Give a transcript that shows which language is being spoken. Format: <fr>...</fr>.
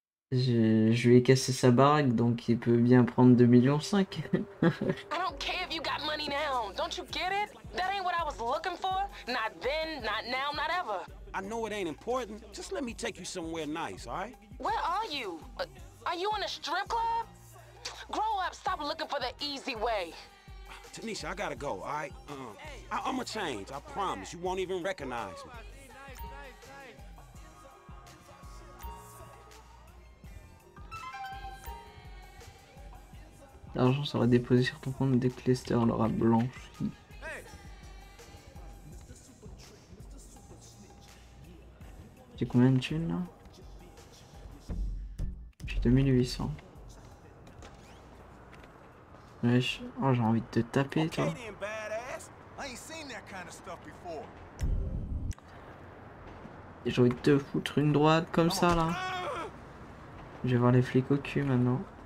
<fr>Je lui ai cassé sa baraque, donc il peut bien prendre 2,5 millions.</fr> <en>I don't care if you got money now. Don't you get it? That ain't what I was looking for. Not then, not now, not ever. I know it ain't important. Just let me take you somewhere nice, alright? Where are you? Are you in a strip club? Grow up, stop looking for the easy way. Tanisha, I gotta go, alright? I'ma change, I promise. You won't even recognize me.</en> <fr>L'argent sera déposé sur ton compte dès que Lester l'aura blanchi. J'ai combien de thunes là? J'ai 2,800. Wesh, oh j'ai envie de te taper toi.</fr> <en>Okay, then, badass. I ain't seen that kind of stuff before.</en> <fr>Et j'ai envie de te foutre une droite comme ça là. Je vais voir les flics au cul maintenant.</fr>